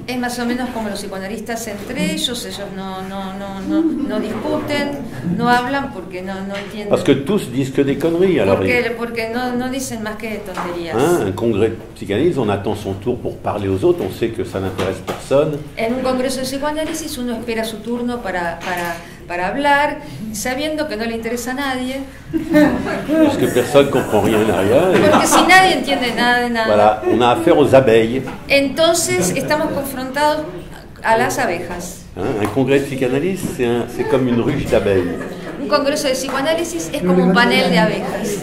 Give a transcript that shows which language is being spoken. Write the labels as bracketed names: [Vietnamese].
[Spanish] Es más o menos como los psicoanalistas entre ellos no discuten, no hablan porque no entienden. [French] Parce que tous disent que des conneries alors. [Spanish] Porque no dicen más que tonterías. [French] Hein, un congrès de psychanalyse, on attend son tour pour parler aux autres, on sait que ça n'intéresse personne. [Spanish] En un congreso de psicoanálisis uno espera su turno para hablar, sabiendo que no le interesa a nadie. [French] Parce que personne comprend rien à rien. Et... [Spanish] Porque si nadie entiende nada de nada. [French] Voilà, on a affaire aux abeilles. [Spanish] Entonces estamos confrontados a las abejas. [French] Hein, un congrès de psychanalyse, c'est comme une ruche d'abeilles. [Spanish] Un congreso de psicoanálisis es como un panel de abejas.